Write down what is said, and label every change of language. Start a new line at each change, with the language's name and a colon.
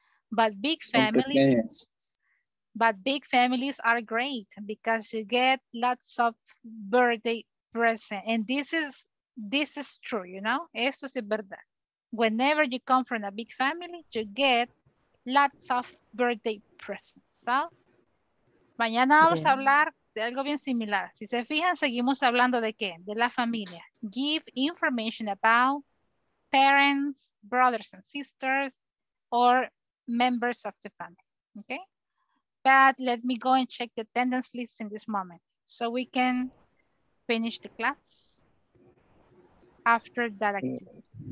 English: But big families... But big families are great because you get lots of birthday presents. And this is true, you know? Eso es verdad. Whenever you come from a big family, you get lots of birthday presents.
Spanish: So, mañana vamos a hablar de algo bien similar. Si se fijan, seguimos hablando de qué? De la familia.
English: Give information about parents, brothers and sisters, or members of the family, okay? But let me go and check the attendance list in this moment so we can finish the class after that activity.